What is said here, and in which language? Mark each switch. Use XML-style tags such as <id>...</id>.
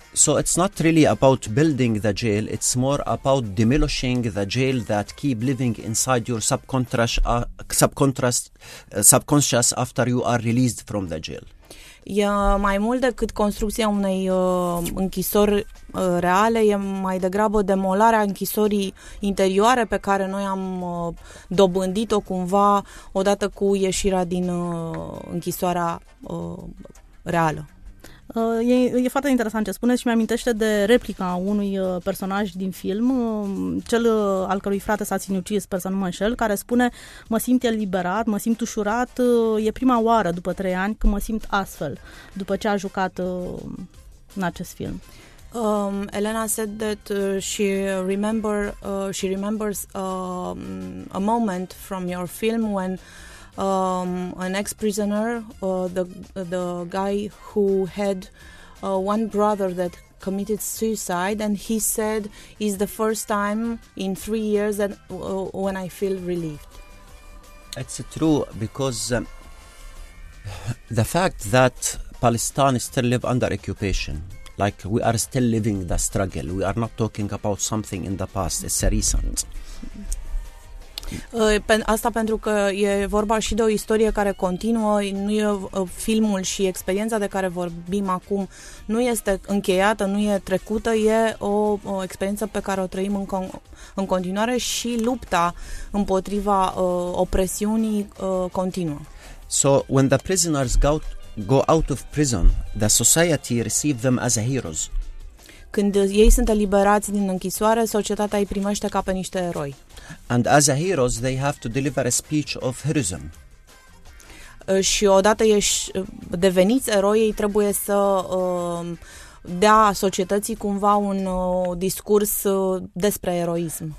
<en>So it's not really about building the jail, it's more about demolishing the jail that keep living inside your subconscious after you are released from the jail.</en> <ro>E mai mult decât construcția unei închisori reale, e mai degrabă demolarea închisorii interioare pe care noi am dobândit-o cumva odată cu ieșirea din închisoarea reală. E foarte interesant ce spuneți și mi-amintește de replica unui personaj din film, cel al cărui frate s-a sinucis, sper să nu mă înșel, care spune: mă simt eliberat, mă simt ușurat, e prima oară după 3 ani când mă simt astfel, după ce a jucat în acest film.</ro> <en>Elena said that she remembers a moment from your film when an ex-prisoner, the guy who had one brother that committed suicide, and he said, "It's the first time in 3 years that when I feel relieved." It's true because the fact that Palestine still live under occupation, like we are still living the struggle. We are not talking about something in the past; it's recent.</en> <ro>Asta pentru că e vorba și de o istorie care continuă, nu e filmul și experiența de care vorbim acum, nu este încheiată, nu e trecută, e o experiență pe care o trăim în continuare și lupta împotriva opresiunii continuă.</ro> <en>So when the prisoners go out of prison, the society receive them as a heroes.</en> <ro>Când ei sunt eliberați din închisoare, societatea îi primește ca pe niște eroi.</ro> <en>And as a heroes, they have to deliver a speech of heroism.</en> <ro>Și odată ești deveniți eroi, ei trebuie să dea societății cumva un discurs despre eroism.</ro>